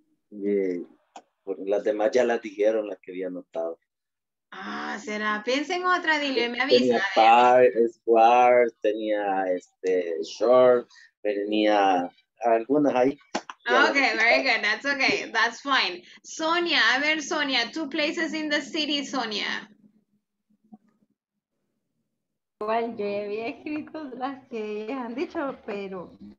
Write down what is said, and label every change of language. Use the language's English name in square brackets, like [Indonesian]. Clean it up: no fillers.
[English] Yeah. [Spanish] Por las demás ya las dijeron, las que había anotado. Ah, será. Piensa en otra, dile, me avisa. Tenía park, square, tenía short, tenía algunas ahí. [English] Okay, very good. That's okay. That's fine. Sonia, [Spanish] a ver, [English] Sonia, two places in the city, Sonia. [Spanish] Igual yo había escrito las que han dicho, pero.